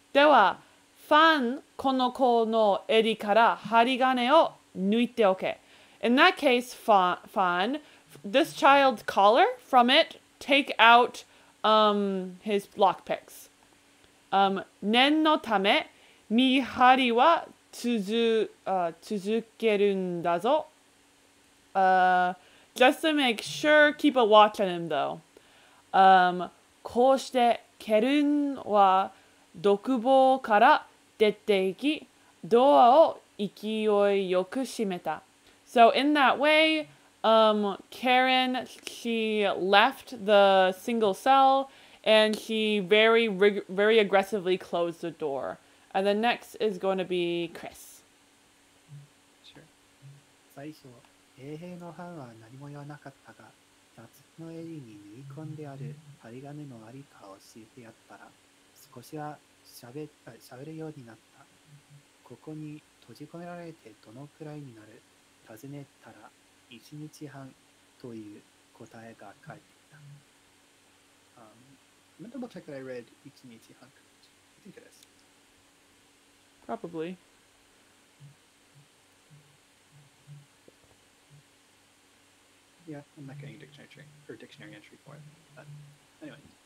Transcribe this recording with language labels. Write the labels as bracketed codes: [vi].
[ja] では、ファンこの子の襟から針金を抜いておけ。 [en] In that case, fan, this child's collar from it, take out his lockpicks. [ja] 念のため見張りは続けるんだぞ。 [en] Just to make sure, keep a watch on him though. [ja] こうしてケルンは独房から出て行き、ドアを勢いよく閉めた。 [en] So in that way, Karen, she left the single cell and she very aggressively closed the door. And the next is going to be Chris. Sure. [ja] 最初、衛兵のハンは何も言わなかったが、夏の襟に縫い込んである針金のありかを教えてやったら、少しは喋るようになった。ここに閉じ込められてどのくらいになる?尋ねたら一日半という答えが書いてきた。 [en] Let me double check that I read 一日半 I think it is. Probably. Yeah, I'm not getting a dictionary entry for it. But anyway.